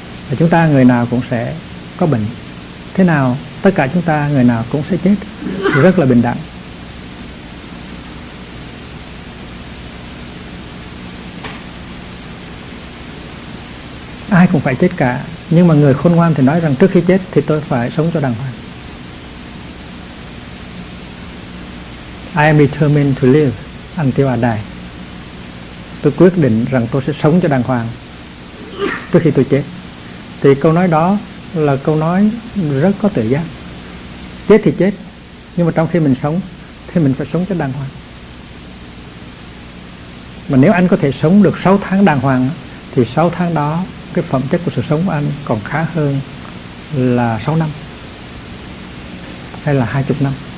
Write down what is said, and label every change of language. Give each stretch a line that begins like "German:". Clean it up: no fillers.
Vietnamese: Và chúng ta người nào cũng sẽ có bệnh. Thế nào tất cả chúng ta người nào cũng sẽ chết, rất là bình đẳng. Ai cũng phải chết cả, nhưng mà người khôn ngoan thì nói rằng trước khi chết thì tôi phải sống cho đàng hoàng.
English: I am determined to live until I die.
Vietnamese: Tôi quyết định rằng tôi sẽ sống cho đàng hoàng trước khi tôi chết. Thì câu nói đó là câu nói rất có tự giác. Chết thì chết, nhưng mà trong khi mình sống thì mình phải sống cho đàng hoàng. Mà nếu anh có thể sống được 6 tháng đàng hoàng thì 6 tháng đó cái phẩm chất của sự sống của anh còn khá hơn là 6 năm hay là 20 năm.